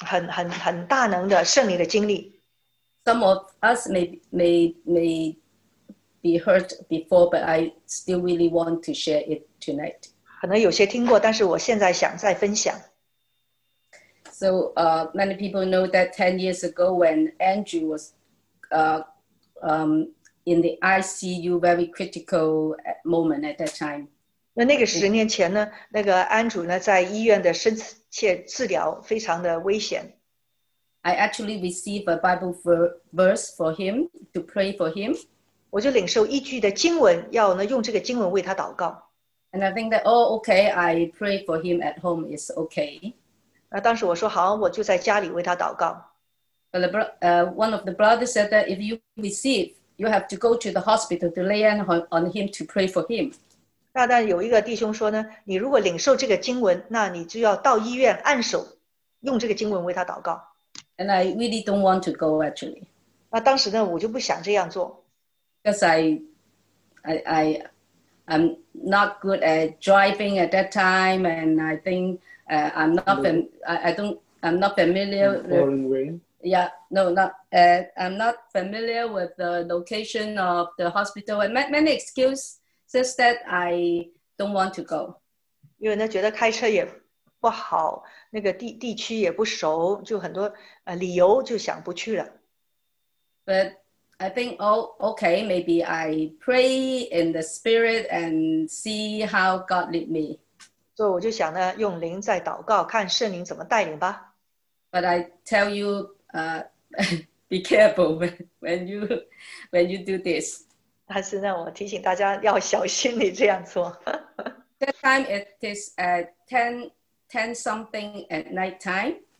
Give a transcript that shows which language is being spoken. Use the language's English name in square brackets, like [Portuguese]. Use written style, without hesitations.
[Chinese] 当安主提醒我过去呢，曾经一个很大能的圣灵的经历。 [English] Some of us may be heard before, but I still really want to share it tonight. [Chinese] 可能有些听过，但是我现在想再分享。 [English] So many people know that 10 years ago when Andrew was in the ICU very critical moment at that time. [Chinese] 那个十年前呢，那个安主呢，在医院的深切治疗，非常的危险。 [English] I actually received a Bible verse for him to pray for him. [Chinese] 我就领受一句的经文，要呢用这个经文为他祷告。 [English] And I think that, oh, okay, I pray for him at home is okay. [Chinese] 那当时我说好，我就在家里为他祷告。 [English] But one of the brothers said that if you receive, you have to go to the hospital to lay hands on him to pray for him. [Chinese] 但有一个弟兄说呢, 你如果领受这个经文, 那你就要到医院, 按手, 用这个经文为他祷告。 [English] And I really don't want to go, actually. [Chinese] 那当时呢, 我就不想这样做。 [English] Because I'm not good at driving at that time, and I think I'm not familiar with the location of the hospital. And many excuses says that I don't want to go. [Chinese] 因为呢觉得开车也不好, 那个地区也不熟, 就很多, 理由就想不去了。 [English] But I think, oh, okay, maybe I pray in the spirit and see how God lead me. [Chinese] 所以我就想呢, 用灵在祷告, 看圣灵怎么带领吧。 [English] But I tell you, be careful when you do this. [Chinese] 但是呢,我提醒大家要小心你这样做。 [English] That time it is at 10 something at night time.